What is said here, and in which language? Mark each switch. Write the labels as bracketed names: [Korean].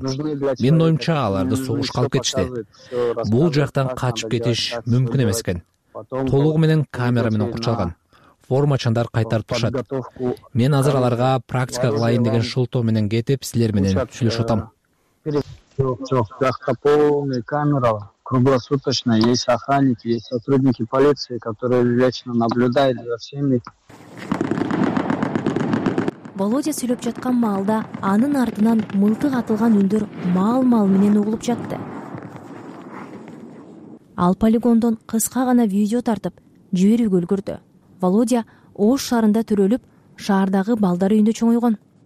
[Kyrgyz] Менин оюмча аларды согуш калып кетишти. Бул жактан качып кетиш мүмкүн эмес экен. Толугу менен камера менен курчалган. Формачандар кайтарып турушат. Мен азыр аларга практика кылайын деген шылтоо менен кетип, силер менен сүйлөшүп атам. Жок, жакта [Russian] полный камера, круглосуточно есть охранники, есть сотрудники полиции, которые лично наблюдают за всеми. [Kyrgyz] Володя сүйлөп жаткан маалда анын артынан мылтык атылган үндөр маал-маал менен угулуп жатты. Ал полигондон кыска гана видео тартып, жиберүүгө үлгүрдү. Володя Ош шаарында төрөлүп, шаардагы балдар үйүндө чоңойгон.